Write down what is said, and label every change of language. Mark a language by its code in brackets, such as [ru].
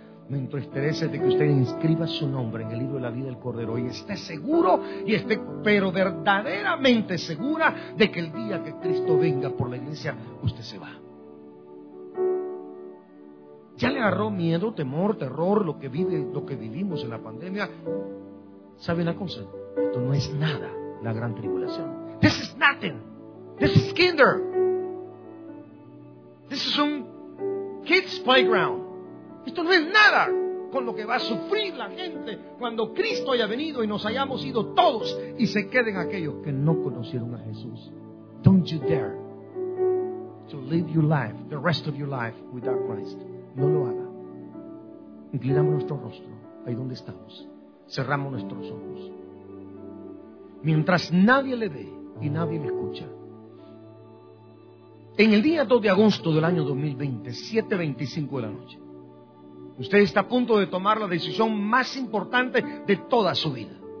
[es] Me entristece de que usted inscriba su nombre en el libro de la vida del Cordero y esté seguro, y esté pero verdaderamente segura, de que el día que Cristo venga por la iglesia, usted se va. ¿Ya le agarró miedo, temor, terror, lo que vivimos en la pandemia? ¿Sabe una cosa? Esto no es nada, la gran tribulación. [en] This is nothing. This is kinder. This is un kid's playground. [es] Esto no es nada con lo que va a sufrir la gente cuando Cristo haya venido y nos hayamos ido todos y se queden aquellos que no conocieron a Jesús. [en] Don't you dare to live your life, the rest of your life, without Christ. [es] No lo haga. Inclinamos nuestro rostro ahí donde estamos. Cerramos nuestros ojos. Mientras nadie le ve y nadie le escucha, en el día 2 de agosto del año 2020, 7:25 de la noche, usted está a punto de tomar la decisión más importante de toda su vida.